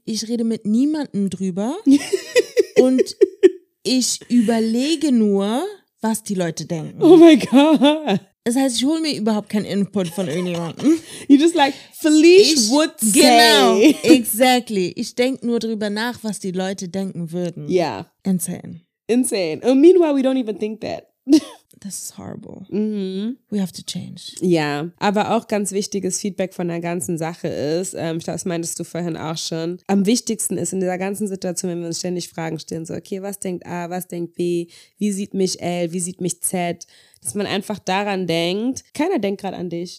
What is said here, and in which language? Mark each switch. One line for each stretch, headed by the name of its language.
German: Ich rede mit niemandem drüber und ich überlege nur, was die Leute denken. Oh mein Gott. Das heißt, ich hole mir überhaupt keinen Input von irgendjemandem.
English: You just like, Felice would say.
German: Genau, exactly. Ich denke nur drüber nach, was die Leute denken würden. Ja.
English: Insane. Insane. And meanwhile, we don't even think that. this is horrible. Mhm. We have to change.
German: Ja, aber auch ganz wichtiges Feedback von der ganzen Sache ist, das meintest du vorhin auch schon, am wichtigsten ist in dieser ganzen Situation, wenn wir uns ständig Fragen stellen, so, okay, was denkt A, was denkt B, wie sieht mich L, wie sieht mich Z, dass man einfach daran denkt, keiner denkt gerade an dich.